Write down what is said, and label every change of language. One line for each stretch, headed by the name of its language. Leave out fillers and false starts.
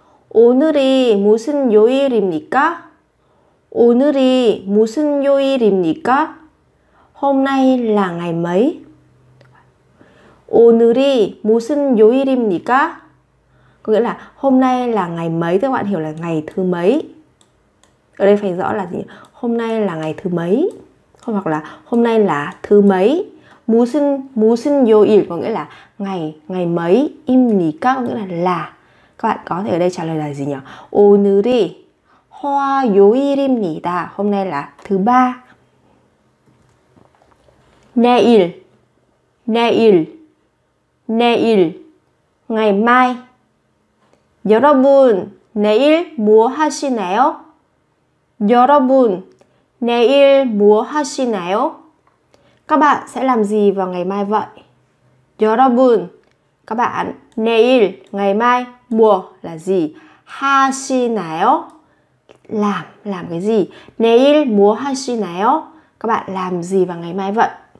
Korean: 오늘이 무슨 요일입니까? 오늘이 무슨 요일입니까?
Vietnamese: Hôm nay là ngày mấy?
Korean: 오늘이 무슨 요일입니까?
Vietnamese: Có nghĩa là hôm nay là ngày mấy? Các bạn hiểu là ngày thứ mấy? Ở đây phải rõ là gì? Hôm nay là ngày thứ mấy? Hoặc là hôm nay là thứ mấy? 무슨 요일 có nghĩa là ngày mấy? 입니까? Có nghĩa là. Các bạn có thể ở đây trả lời là gì nhỉ?
Korean: 오늘이 화요일입니다.
Vietnamese: Hôm nay là thứ ba. 내일 ngày mai.
Korean: 여러분, 내일 뭐 하시나요? 여러분, 내일 뭐 하시나요?
Vietnamese: Các bạn sẽ làm gì vào ngày mai vậy? 여러분, các bạn, 내일, ngày mai, 뭐 là gì? 하시나요? Làm cái gì?
Korean: 내일 뭐 하시나요?
Vietnamese: Các bạn làm gì vào ngày mai vậy?